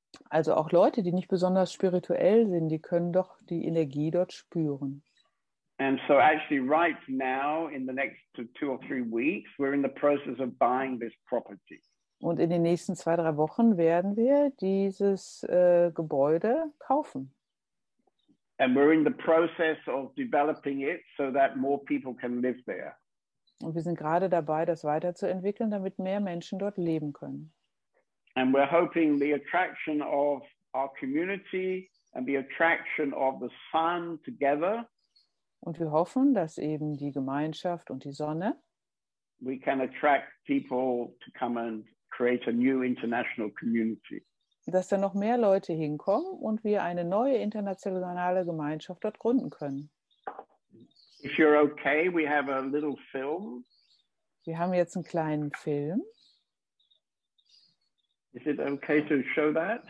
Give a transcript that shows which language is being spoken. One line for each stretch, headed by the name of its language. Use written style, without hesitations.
German: Also auch Leute, die nicht besonders spirituell sind, die können doch die Energie dort spüren.
English: And so actually right now, in the next 2 or 3 weeks, we're in the process of buying this property.
German: Und in den nächsten 2, 3 Wochen werden wir dieses Gebäude kaufen.
English: And we're in the process of developing it so that more people can live there.
German: Und wir sind gerade dabei, das weiterzuentwickeln, damit mehr Menschen dort leben können.
English: And we're hoping the attraction of our community and the attraction of the sun together.
German: Und wir hoffen, dass eben die Gemeinschaft und die Sonne.
English: We can attract people to come and create a new international community.
German: Dass da noch mehr Leute hinkommen und wir eine neue internationale Gemeinschaft dort gründen können.
English: If you're okay, we have a little film.
German: Wir haben jetzt einen kleinen Film.
English: Is it okay to show that?